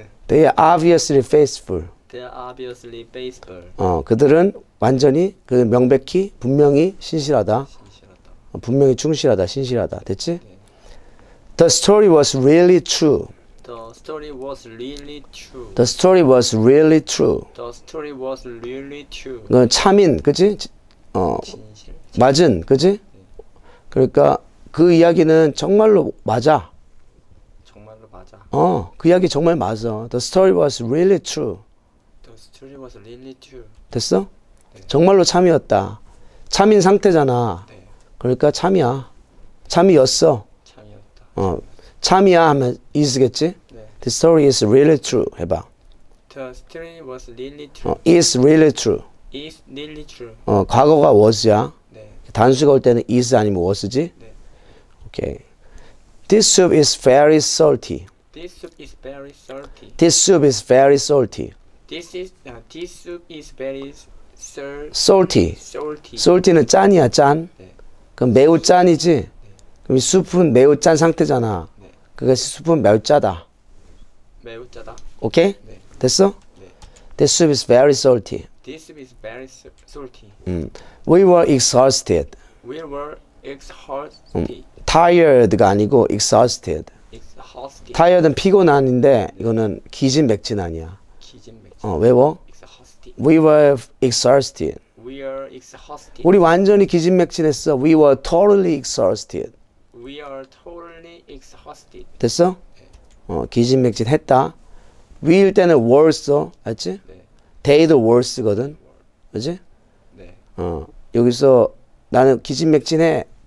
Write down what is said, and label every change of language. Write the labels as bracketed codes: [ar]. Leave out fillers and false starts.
[en] They are obviously faithful. They are obviously faithful. [ko] 그들은 완전히, 그 명백히, 분명히 신실하다. 신실하다. 분명히 충실하다, 신실하다. 됐지? [en] The story was really true. The story was really true. The story was really true. The story was really true. [ko] 그건 참인, 그지? 진실. 맞은, 그지? 그러니까 그 이야기는 정말로 맞아. 정말로 맞아. 그 이야기 정말 맞아. [en] The story was really true. The story was really true. [ko] 됐어? 정말로 참이었다. 참인 상태잖아. 그러니까 참이야. 참이었어. 참이야 하면 is겠지? [en] The story is really true. [ko] 해봐. [en] The story was really true. Is really true. Is really true. [ko] 과거가 was야. 단수가 올 때는 is 아니면 was지? [en] 오케이. This soup is very salty. This soup is very salty. This soup is very salty. This soup is very Salty. salty. [ko] Salty는 짠이야, 짠. 그럼 매우 짠이지? 그럼 이 숲은 매우 짠 상태잖아. 그것이 숲은 매우 짜다. 매우 짜다. 오케이? 됐어? [en] This soup is very salty. This is very salty. We were exhausted. We were exhausted. [ko] Tired가 아니고 exhausted. [en] Exhausted. [ko] Tired은 피곤한인데, 이거는 기진맥진 아니야. 기진맥진. 외워. [en] Exhausted. We were exhausted. We are exhausted. [ko] 우리 완전히 기진맥진했어. [en] We were totally exhausted. We are totally exhausted. [ko] 됐어? 기진맥진했다. We일 때는 were 써. 알지? They도 were 쓰거든. 그지? 여기서 나는 기진맥진해.